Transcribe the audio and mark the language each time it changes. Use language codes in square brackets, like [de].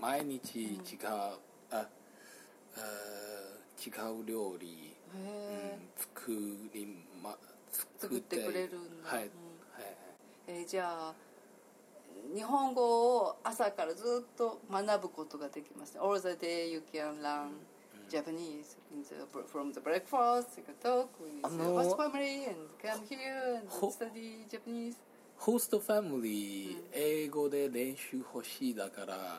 [ja] 毎日違う、うん、違う料理、作ってくれるんだ、はい、うん、じゃあ日本語を朝からずっと学ぶことができます。 [en] All the day you can learn Japanese from the breakfast, you can talk with your host family and come here and study Japanese. [ja] ホーストファミリー、うん、英語で練習欲しいだから。